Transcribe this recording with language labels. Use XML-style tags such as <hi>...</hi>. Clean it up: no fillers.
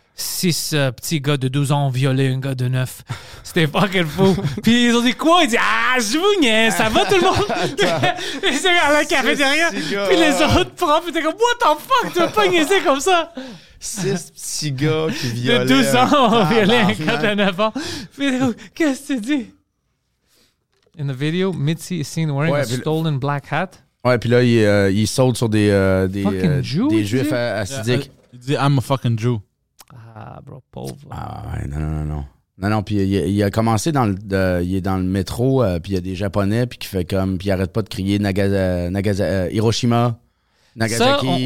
<fr>Six petits gars de 12 ans ont violé un gars de 9. C'était fucking fou. Puis ils ont dit quoi? Ils disent ah, je vous niaise, ça va tout le monde? Ils étaient à la cafétéria. Puis les autres profs étaient comme, what the fuck, tu veux pas niaiser comme ça? Six petits gars qui violent. De 12 ans ont violé un gars de 9 ans. Puis qu'est-ce que tu dis?</fr> <en>In the video, Mitzi is seen wearing a stolen black hat.</en> <fr>Ouais, puis là, il saute sur des juifs assidiques. Il dit, I'm a fucking Jew. Ah, bro, pauvre. Ah, ouais, non. Non, puis il a commencé dans le métro, puis il y a des Japonais, puis qui fait comme, puis il arrête pas de crier Hiroshima, Nagasaki.</fr>